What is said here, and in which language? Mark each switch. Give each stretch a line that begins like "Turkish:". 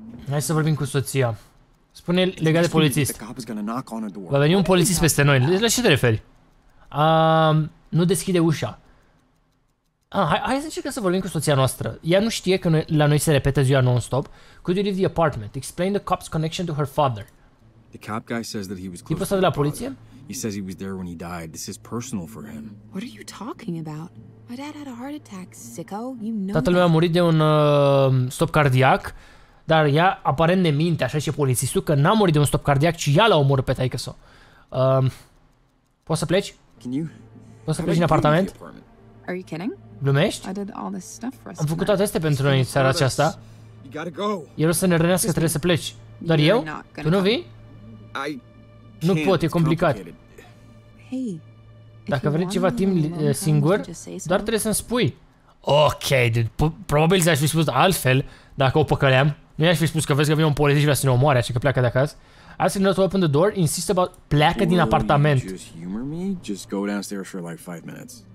Romanian: Hai să vorbim cu soția. Spune legat de polițist. Va veni un polițist peste noi. La ce te referi? Nu deschide ușa. Hai să încercăm să vorbim cu soția noastră. Ea nu știe că noi, la noi se repetă ziua non-stop.
English: Could you leave the apartment? Explain the cop's connection to her father. The cop guy says that he was close.
Romanian: Tipul ăsta de la poliție?
English: He says he was there when he died. This is personal for him. What are you talking about? My dad had a heart attack, sicko. You know.
Romanian: Tatăl meu a murit de un stop cardiac. Dar ea aparent ne minte, așa și polițistul, că n-a murit de un stop cardiac, ci ea l-a omorât pe taică-sa. Poți să pleci? Poți să pleci din apartament? Glumești? Am făcut toate astea pentru noi seara aceasta. El o să ne rănească, trebuie să pleci. Doar eu? Tu nu vii? Nu pot, e complicat. Dacă vrei ceva timp singur, doar trebuie să-mi spui. Ok, probabil ți-aș fi spus altfel dacă o păcăleam. Nu i-aș fi spus că vezi că vine un polițist și vrea să ne omoare, așa că pleacă de acasă.
English: Ask him not to open the door, insist about
Romanian: pleacă din apartament.
English: Just humor me? Just go downstairs for like 5 minutes.